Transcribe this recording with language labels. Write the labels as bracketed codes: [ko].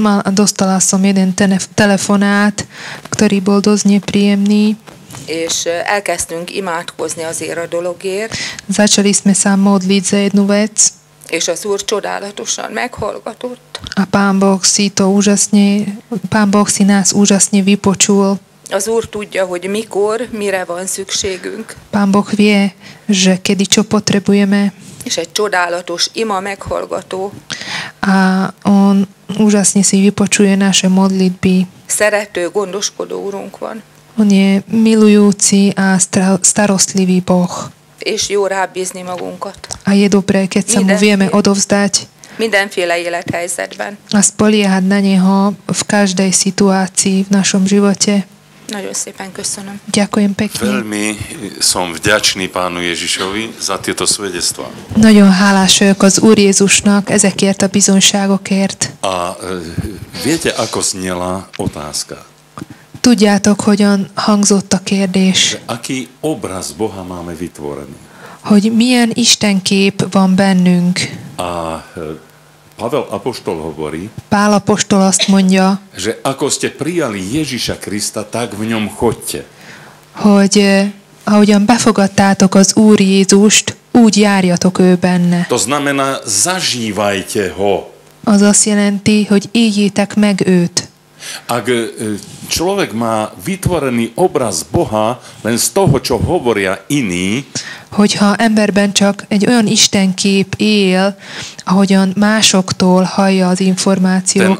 [sk] Dostala som jeden telefonát, ktorý bol dosť nepríjemný. [hu] És elkezdtünk imádkozni azért a dologért. [sk] Začali sme sa modliť za jednu vec. [hu] És az Úr csodálatosan meghallgatott. [sk] A Pán Boh si nás úžasne vypočul. [hu] Az Úr tudja, hogy mikor, mire van szükségünk. [sk] Pán Boh vie, že kedy čo potrebujeme. [hu] És egy csodálatos ima meghallgató. [sk] A on úžasne si vypočuje naše modlitby. [hu] Szerető, gondoskodó Úrunk van. [sk] On je milujúci a starostlivý Boh. [hu] És jó rábízni magunkat. [sk] A je dobré, keď sa mu vieme odovzdať. [hu] Mindenféle élethelyzetben. [sk] A spoliehať na neho v každej situácii v našom živote. [hu] Nagyon szépen köszönöm. [sk] Ďakujem pekne. Veľmi som vďačný Pánu Ježišovi za tieto svedectvá. [hu] Nagyon hálás vagyok az Úr Jézusnak ezekért a bizonyságokért. [sk] A viete, ako zniela otázka? [hu] Tudjátok, hogyan hangzott a kérdés? [sk] Aki obraz Boha máme vytvorený? [hu] Hogy milyen istenkép van bennünk? [sk] A Pavel apoštol hovorí, [hu] Pál apoštol azt mondja, [sk] že ako ste prijali Ježiša Krista, tak v ňom chodte. [hu] Hogy ahogyan befogadtátok az Úr Jézust, úgy járjatok ő benne. [sk] To znamená, zažívajte ho. [hu] Az azt jelenti, hogy éljétek meg őt. [sk] Ak človek má vytvorený obraz Boha len z toho, čo hovoria iní, [hu] hogyha emberben csak egy olyan istenkép él, ahogyan másoktól hallja az információkat,